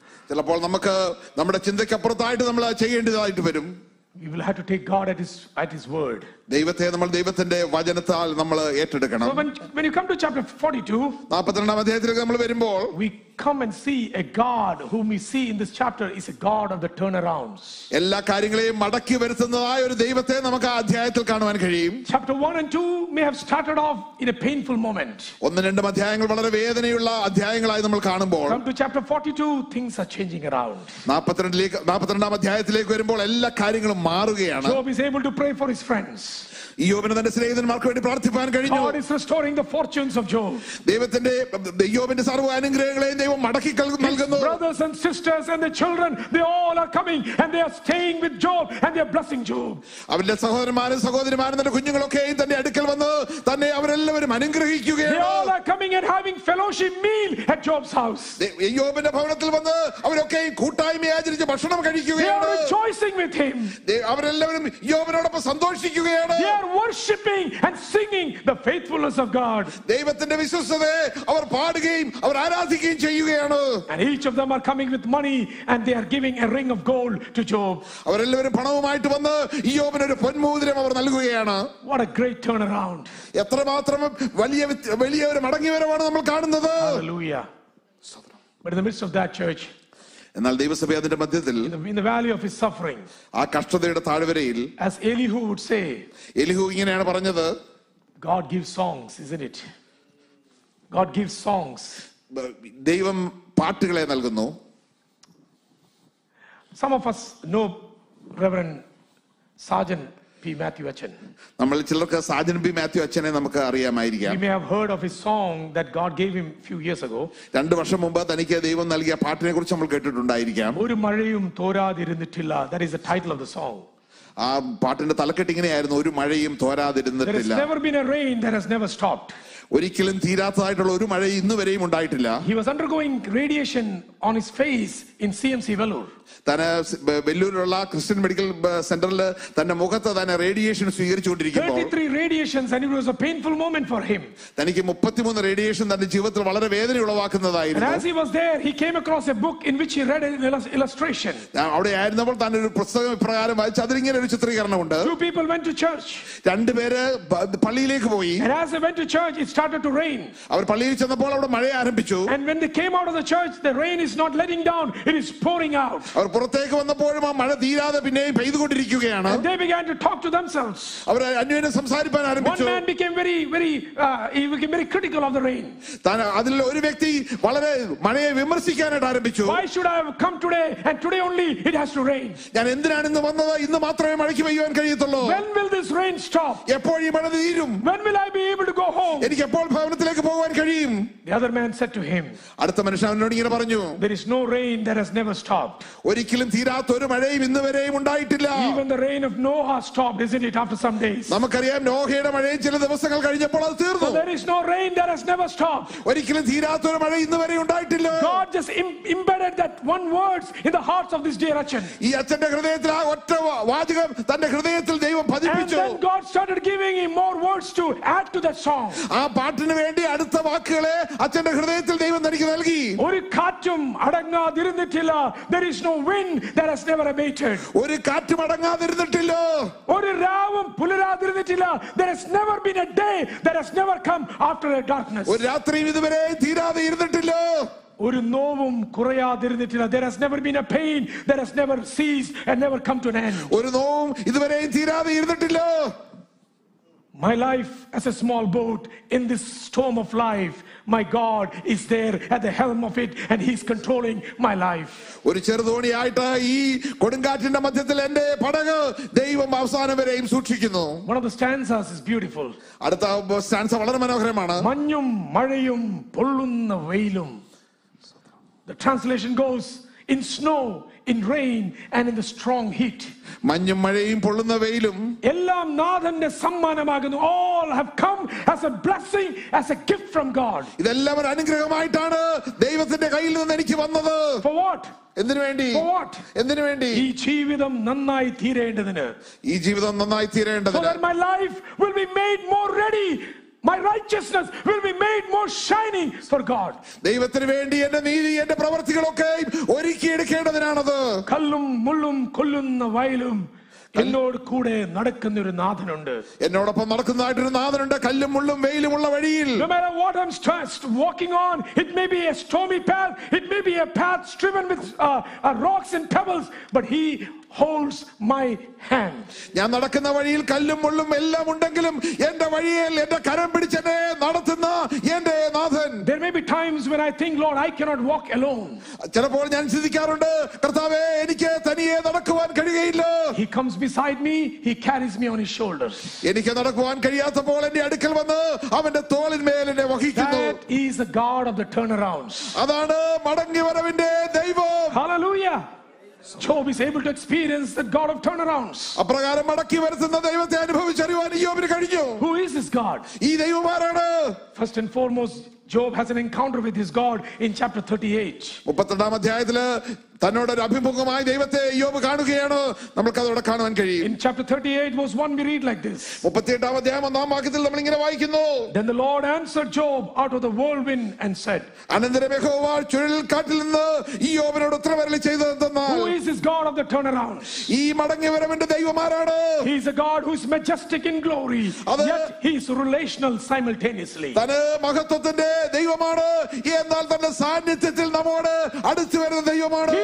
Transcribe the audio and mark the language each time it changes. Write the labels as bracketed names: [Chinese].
[Malayalam] ചിലപ്പോൾ നമുക്ക് നമ്മുടെ ചിന്തയ്ക്ക് അപ്പുറത്തായിട്ട് നമ്മൾ ചെയ്യേണ്ടതായിട്ട് വരും. [English] We will have to take God at his word. [Malayalam] ദൈവത്തെ നമ്മൾ ദൈവത്തിന്റെ വചനത്താൽ നമ്മൾ ഏറ്റെടുക്കണം. [English] When you come to chapter 42, [Malayalam] 42-ാം അധ്യായത്തിലേക്ക് നമ്മൾ വരുമ്പോൾ, [English] we come and see a God whom we see in this chapter is a God of the turnarounds. [Malayalam] എല്ലാ കാര്യങ്ങളെയും മടക്കി വരുത്തുന്നതായ ഒരു ദൈവത്തെ നമുക്ക് ആ അധ്യായത്തിൽ കാണുവാൻ കഴിയും. [English] Chapter 1 and 2 may have started off in a painful moment. [Malayalam] 1-2 അധ്യായങ്ങൾ വളരെ വേദനയുള്ള അധ്യായങ്ങളായി നമ്മൾ കാണുമ്പോൾ, [English] come to chapter 42, things are changing around. [Malayalam] 42-ാം അധ്യായത്തിലേക്ക് വരുമ്പോൾ എല്ലാ കാര്യങ്ങളും മാറുകയാണ്. [English] Job is able to pray for his friends. [Malayalam] യോബിന് തന്റെ സ്നേഹിതന്മാർക്ക് വേണ്ടി പ്രാർത്ഥിക്കാൻ കഴിഞ്ഞു. [English] God is restoring the fortunes of Job. [Malayalam] ദൈവത്തിന്റെ യോബിന്റെ സർവ്വ അനുഗ്രഹങ്ങളെയും ദൈവം മടക്കി നൽകുന്നു. [English] Brothers and sisters and the children, they all are coming and they are staying with Job and they are blessing Job. [Malayalam] അവന്റെ സഹോദരന്മാരും സഹോദരിമാരും തന്റെ കുഞ്ഞുങ്ങളൊക്കെ തന്റെ അടുക്കൽ വന്ന് തന്നെ അവരെല്ലാവരും അനുഗ്രഹിക്കുകയാണ്. [English] They all are coming and having fellowship meal at Job's house. [Malayalam] യോബിന്റെ ഭവനത്തിൽ വന്ന് അവരൊക്കെ കൂട്ടായ്മ ആചരിച്ച് ഭക്ഷണം കഴിക്കുകയാണ്. [English] They are rejoicing with him. [Malayalam] അവരെല്ലാവരും യോബിനോടൊപ്പം സന്തോഷിക്കുകയാണ്. [English] They are worshiping and singing the faithfulness of God. [Malayalam] ദൈവത്തിന്റെ വിശ്വസ്തതയെ അവർ പാടുകയും അവർ ആരാധിക്കുകയും ചെയ്യുകയാണ്. [English] And each of them are coming with money and they are giving a ring of gold to Job. [Malayalam] അവരെല്ലാവരും പണവുമായിട്ട് വന്ന് യോബിന് ഒരു പൊന്മോതിരം അവർ നൽകുകയാണ്. [English] What a great turnaround. [Malayalam] എത്രമാത്രം വലിയ ഒരു മടങ്ങിവരവാണ് നമ്മൾ കാണുന്നത്. [English] Hallelujah. But in the midst of that church, [Malayalam] എന്നാൽ ദൈവസഭ അതിന്റെ മധ്യത്തിൽ, [English] in the valley of his suffering, [Malayalam] ആ കഷ്ടതയുടെ താഴ്വരയിൽ, [English] as Elihu would say, [Malayalam] എലിഹു ഇങ്ങനെയാണ് പറഞ്ഞത്, [English] God gives songs, isn't it? God gives songs. [Malayalam] ദൈവം പാട്ടുകളെ നൽകുന്നു. [English] Some of us know Reverend Sajan P. Matthew Achan. [Malayalam] നമ്മൾ ചിലർക്ക് സാജൻ പി മാത്യു അച്ഛനെ നമുക്ക് അറിയാമായിരിക്കാം. [English] You may have heard of his song that God gave him few years ago. [Malayalam] രണ്ട് വർഷം മുമ്പ് തനിക്ക് ദൈവം നൽകിയ പാട്ടിനെ കുറിച്ച് നമ്മൾ കേട്ടിട്ടുണ്ടായിരിക്കാം. ഒരു മഴയും തോരാതിരുന്നിട്ടില്ല. [English] That is the title of the song. [Malayalam] ആ പാട്ടിന്റെ തലക്കെട്ട് ഇങ്ങനെയായിരുന്നു, ഒരു മഴയും തോരാതിരുന്നിട്ടില്ല. [English] There has never been a rain that has never stopped. [Malayalam] ഒരിക്കലും തീരാത്തതായിട്ടുള്ള ഒരു മഴ ഇന്ന് വരെയും ഉണ്ടായിട്ടില്ല. [English] He was undergoing radiation on his face in CMC Vellore. [Malayalam] തന്നെ വെല്ലൂരിലുള്ള ക്രിസ്ത്യൻ മെഡിക്കൽ സെന്ററിൽ തന്റെ മുഖത്ത് തന്നെ radiation സ്വീകരിച്ചുകൊണ്ടിരിക്കുമ്പോൾ [English] 33 radiations and it was a painful moment for him. [Malayalam] തനിക്ക് 33 റേഡിയേഷൻ തന്റെ ജീവിതത്തിൽ വളരെ വേദന ഉളവാക്കുന്നതായിരുന്നു. [English] As he was there, he came across a book in which he read an illustration. [Malayalam] അവിടെ ആയിരുന്നപ്പോൾ തന്നെ ഒരു പുസ്തകം ഇപ്രകാരം വായിച്ച് അതിൽ ഇങ്ങനെ ഒരു ചിത്രീകരണം ഉണ്ട്. [English] Two people went to church. [Malayalam] രണ്ട് പേര് പള്ളിയിലേക്ക് പോയി. [English] And as they went to church, it started to rain. [Malayalam] അവർ പള്ളിയിൽ ചെന്നപ്പോൾ അവിടെ മഴ ആരംഭിച്ചു. [English] And when they came out of the church, the rain is not letting down, it is pouring out. [Malayalam] അവർ പുറത്തേക്ക് വന്നപ്പോഴും ആ മഴ തീരാതെ പിന്നെയും പെയ്തുകൊണ്ടിരിക്കുകയാണ്. [English] They began to talk to themselves. [Malayalam] അവർ അന്യോന്യം സംസാരിക്കാൻ ആരംഭിച്ചു. [English] One man became very critical of the rain. [Malayalam] താൻ അതിൽ ഒരു വ്യക്തി വളരെ മഴയെ വിമർശിക്കാനായിട്ട് ആരംഭിച്ചു. [English] Why should I have come today and today only it has to rain? [Malayalam] ഞാൻ എന്തിനാണ് ഇന്ന് വന്നത്? ഇന്ന് മാത്രമേ മഴയ്ക്ക് പെയ്യാൻ കഴിയത്തുള്ളൂ. [English] When will this rain stop? [Malayalam] എപ്പോൾ ഈ മഴ തീരും? [English] When will I be able to go home? [Malayalam] എനിക്ക് എപ്പോൾ ഭവനത്തിലേക്ക് പോകാൻ കഴിയും? [English] The other man said to him. [Malayalam] അടുത്ത മനുഷ്യൻ അവനോട് ഇങ്ങനെ പറഞ്ഞു. [English] There is no rain that has never stopped. [Malayalam] ഒരിക്കലും തീരാത്ത ഒരു മഴയും ഇന്ന് വരെയും ഉണ്ടായിട്ടില്ല. [English] Even the rain of Noah stopped, isn't it, after some days? [Malayalam] നമുക്കറിയാം നോഹയുടെ മഴയും ചില ദിവസങ്ങൾ കഴിഞ്ഞപ്പോൾ അത് തീർന്നു. [English] There is no rain that has never stopped. [Malayalam] ഒരിക്കലും തീരാത്ത ഒരു മഴ ഇന്ന് വരെയും ഉണ്ടായിട്ടില്ല. [English] God just embedded that one words in the hearts of this dear Achan. [Malayalam] ഈ അച്ഛന്റെ ഹൃദയത്തിൽ ആ ഒറ്റ വാചകം തന്റെ ഹൃദയത്തിൽ ദൈവം പതിപ്പിച്ചു. [English] And then God started giving him more words to add to that song. [Malayalam] ആ പാട്ടിന് വേണ്ടി അടുത്ത വാക്കുകളെ അച്ഛന്റെ ഹൃദയത്തിൽ ദൈവം തനിക്ക് നൽകി. ഒരു കാറ്റും അടങ്ങാതിരുന്നിട്ടില്ല. [English] There is no wind that has never abated. [Malayalam] ഒരു കാറ്റും അടങ്ങാതിരുന്നിട്ടില്ല. ഒരു രാവും പുലരാതിരുന്നിട്ടില്ല. [English] There has never been a day that has never come after a darkness. [Malayalam] ഒരു രാത്രിയും ഇതുവരെ തീരാതെ ഇരുന്നിട്ടില്ല. ഒരു നോവും കുറയാതിരുന്നിട്ടില്ല. [English] There has never been a pain that has never ceased and never come to an end. [Malayalam] ഒരു നോവും ഇതുവരെ തീരാതെ ഇരുന്നിട്ടില്ല. [English] My life as a small boat in this storm of life. My God is there at the helm of it and he's controlling my life. [Malayalam] ഒരു ചെറുതോണി ആയിട്ട് ഈ കൊടുങ്കാറ്റിന്റെ മധ്യത്തിൽ എൻ്റെ പടക് ദൈവം അവസാനം വരെയും സൂക്ഷിക്കുന്നു. [English] One of the stanzas is beautiful. [Malayalam] അടുത്ത സ്റ്റാൻസ വളരെ മനോഹരമാണ്. മഞ്ഞും മഴയും പൊള്ളുന്ന വെയിലും. [English] The translation goes in snow, in rain and in the strong heat. [Malayalam] മഞ്ഞും മഴയും പൊള്ളുന്ന വെയിലും എല്ലാം നാഥന്റെ സമ്മാനമാകുന്നു. [English] All have come as a blessing, as a gift from God. [Malayalam] ഇതെല്ലാം ഒരു അനുഗ്രഹമായിട്ടാണ് ദൈവത്തിന്റെ കയ്യിൽ നിന്ന് എനിക്ക് വന്നത്. [English] For what? [Malayalam] എന്തിനു വേണ്ടി ഈ ജീവിതം നന്നായി തീരേണ്ടതിന്. ഈ ജീവിതം നന്നായി തീരേണ്ടതിന്. [English] So that my life will be made more ready. My righteousness will be made more shining for God. [Malayalam] ദൈവത്തിനു വേണ്ടി എൻ്റെ നീതി എൻ്റെ പ്രവൃത്തികളൊക്കെ ഒരുക്കി എടുക്കേണ്ടതിനാണത്. കല്ലും മുള്ളും കൊല്ലുന്ന വയലും എന്നോട് കൂടെ നടക്കുന്ന ഒരു നാഥനുണ്ട്. എന്നോടൊപ്പം നടക്കുന്നതായിട്ടൊരു നാഥനുണ്ട്. കല്ലും മുള്ളും വെയിലും ഉള്ള വഴിയിൽ. [English] No matter what I'm stressed, walking on, it may be a stormy path, it may be a path striven with rocks and pebbles, but he holds my hand. [Malayalam] ഞാൻ നടക്കുന്ന വഴിയിൽ കല്ലും മുള്ളും എല്ലാം ഉണ്ടെങ്കിലും എൻ്റെ വഴിയിൽ എൻ്റെ കരം പിടിച്ചെന്നെ നടത്തുന്ന എൻ്റെ നാഥൻ. [English] There may be times when I think, Lord, I cannot walk alone. [Malayalam] ചിലപ്പോൾ ഞാൻ ചിന്തിക്കാറുണ്ട്, കർത്താവേ എനിക്ക് തനിയെ നടക്കുവാൻ കഴിയയില്ല. [English] He comes beside me, he carries me on his shoulders. [Malayalam] എനിക്ക് നടക്കുവാൻ കഴിയാത്തപ്പോൾ എൻ്റെ അടുക്കൽ വന്ന് അവൻ്റെ തോളിന്മേൽ എന്നെ വഹിക്കുന്നു. [English] That is the God of the turnarounds. [Malayalam] അതാണ് മടങ്ങിവരവിൻ്റെ ദൈവം. [English] Hallelujah. Job is able to experience the God of turnarounds. [Malayalam] അപ്രകാരം മടക്കി വരുന്ന ദൈവത്തെ അനുഭവിച്ചറിയാൻ യോബിന് കഴിഞ്ഞു. [English] Who is this God? [Malayalam] ഈ ദൈവം ആരാണ്? [English] First and foremost, Job has an encounter with his God in chapter 38. [Malayalam] 38-ാം അധ്യായത്തിലെ തന്നോട് ഒരു അഭിമുഖമായി ദൈവത്തെ യോബ് കാണുകയാണ്. നമുക്ക് അതോടെ കാണുവാൻ കഴിയും. [English] In chapter 38 verse 1 we read like this. [Malayalam] 38-ാം അധ്യായം ഒന്നാം വാക്യത്തിൽ നമ്മൾ ഇങ്ങനെ വായിക്കുന്നു. [English] Then the Lord answered Job out of the whirlwind and said. [Malayalam] അനന്തരം യഹോവ ചുഴലിക്കാറ്റിൽ നിന്ന് ഈ യോബിനോട് ഉത്തരവരളി ചെയ്തു എന്തെന്നാൽ. [English] Who is this God of the turnaround? [Malayalam] ഈ മടങ്ങിവരവിന്റെ ദൈവം ആരാണ്? [English] He is a God who is majestic in glory, yet he is relational simultaneously. [Malayalam] തന്റെ മഹത്വത്തിന്റെ ദൈവമാണ്, എന്നാൽ തന്റെ സാന്നിധ്യത്തിൽ നമ്മോട് അടുത്തു വരുന്ന ദൈവമാണ്.